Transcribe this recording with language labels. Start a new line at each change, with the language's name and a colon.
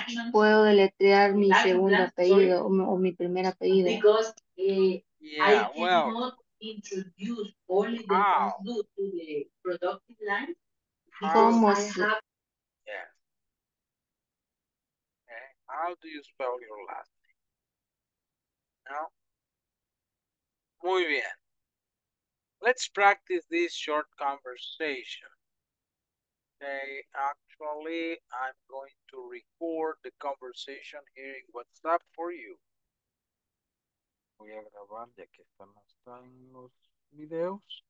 Spanish: ¿Puedo deletrear mi segundo apellido o mi primer apellido?
English: Because I cannot introduce only the first two to the productive line.
Spanish: ¿Cómo se?
English: Yes. Okay. How do you spell your last name?
Spanish: ¿no? Muy bien.
English: Let's practice this short conversation. Okay, actually, I'm going to record the conversation here in WhatsApp for you.
Spanish: Voy a grabar ya que están hasta en los videos.